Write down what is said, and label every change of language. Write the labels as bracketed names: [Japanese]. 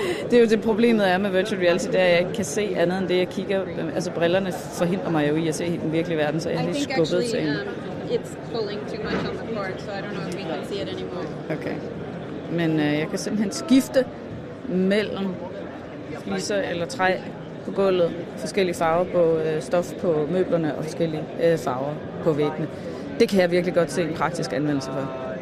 [Danish] Det er jo det problemet er med virtual reality, det er, at jeg ikke kan se andet end det, jeg kigger. Altså, brillerne forhindrer mig jo i at se den virkelige verden, så jeg er lige skubbet til en. [English] It's pulling too much on the cord, so I don't know if we can see it anymore. Okay. [Danish] Men jeg kan simpelthen skifte mellem fliser eller træ på gulvet, forskellige farver på stof på møblerne og forskellige farver på væggene. Det kan jeg virkelig godt se en praktisk anvendelse for.